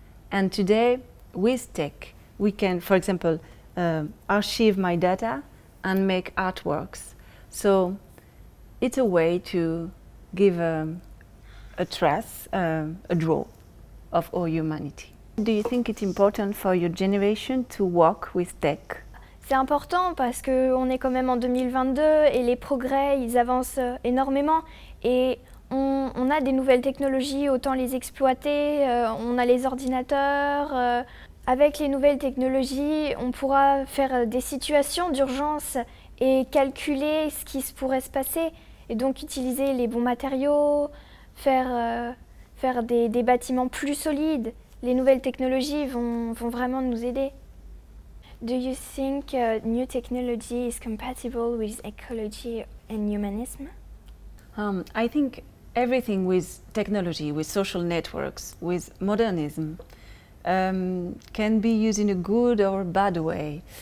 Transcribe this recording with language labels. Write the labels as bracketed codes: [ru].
[en] And today, with tech, we can, for example, archive my data and make artworks. So it's a way to give a draw of all humanity. Do you think it's important for your generation to work with tech? [fr] C'est important parce qu'on est quand même en 2022 et les progrès, ils avancent énormément. Et on a des nouvelles technologies, autant les exploiter, on a les ordinateurs. Avec les nouvelles technologies, on pourra faire des situations d'urgence et calculer ce qui pourrait se passer. Et donc utiliser les bons matériaux, faire des bâtiments plus solides. Les nouvelles technologies vont vraiment nous aider. [en] Do you think new technology is compatible with ecology and humanism? I think everything with technology, with social networks, with modernism can be used in a good or bad way.